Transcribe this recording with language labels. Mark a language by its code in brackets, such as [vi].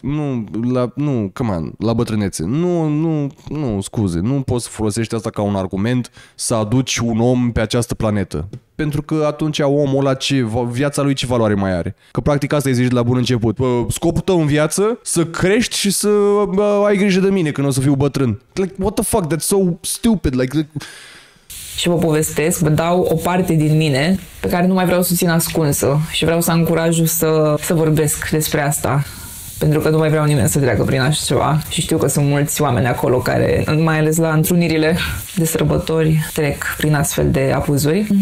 [ro] Nu, [en] come on, [ro] la bătrânețe. Nu, scuze, nu poți să folosești asta ca un argument să aduci un om pe această planetă. Pentru că atunci omul ăla, viața lui ce valoare mai are? Că practic asta îi zici de la bun început. Scopul tău în viață, să crești și să ai grijă de mine când o să fiu bătrân. [en] Like, what the fuck, that's so stupid, [ro] Și vă povestesc, vă dau o parte din mine pe care nu mai vreau să o țin ascunsă și vreau să am curajul să vorbesc despre asta. Pentru că nu mai vreau nimeni să treacă prin așa ceva și știu că sunt mulți oameni acolo care, mai ales la întrunirile de sărbători, trec prin astfel de abuzuri.